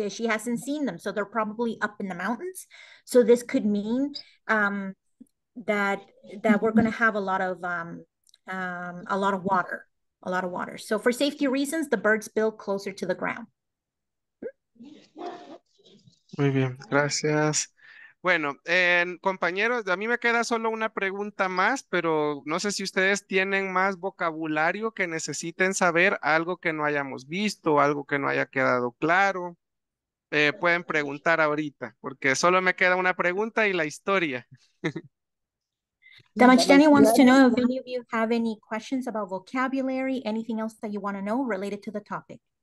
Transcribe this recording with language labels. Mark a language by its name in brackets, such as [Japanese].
[English] She hasn't seen them. So they're probably up in the mountains. So this could mean that we're going to have a lot of water. So for safety reasons, the birds build closer to the ground. [Spanish] Muy bien, gracias. Bueno, compañeros, a mí me queda solo una pregunta más, pero no sé si ustedes tienen más vocabulario que necesiten saber, algo que no hayamos visto, algo que no haya quedado claro. Pueden preguntar ahorita, porque solo me queda una pregunta y la historia. [English] Damachitani wants to know if any of you have any questions about vocabulary, anything else that you want to know related to the topic.